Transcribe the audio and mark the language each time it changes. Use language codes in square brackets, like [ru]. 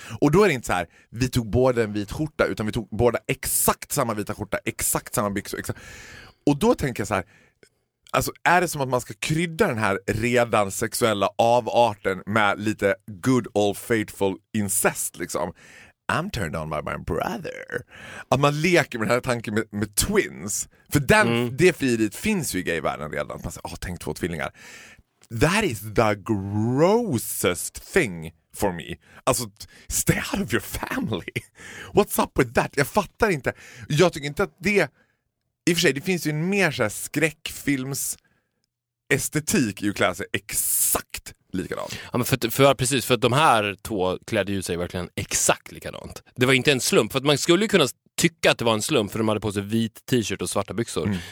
[sv] Och då är det inte så här, vi tog båda en vit skjorta, utan vi tog båda exakt samma vita skjorta, exakt samma byxor. Exakt. Och då tänker jag så här, alltså, är det som att man ska krydda den här redan sexuella avarten med lite [en] good old faithful incest [sv] liksom? [en] I'm turned on by my brother. [sv] Att man leker med den här tanken med twins. För den, det friidet finns ju i gayvärlden redan. Man säger, tänk två tvillingar. [en] That is the grossest thing for me. [sv] Alltså, [en] stay out of your family. What's up with that? [sv] Jag fattar inte. Jag tycker inte att det... I och för sig, det finns ju en mer så här skräckfilms estetik i att klä sig exakt likadant. Ja, men för att de här två klädde ju sig verkligen exakt likadant. Det var inte en slump, för att man skulle ju kunna tycka att det var en slump, för de hade på sig vit t-shirt och svarta byxor. Mm.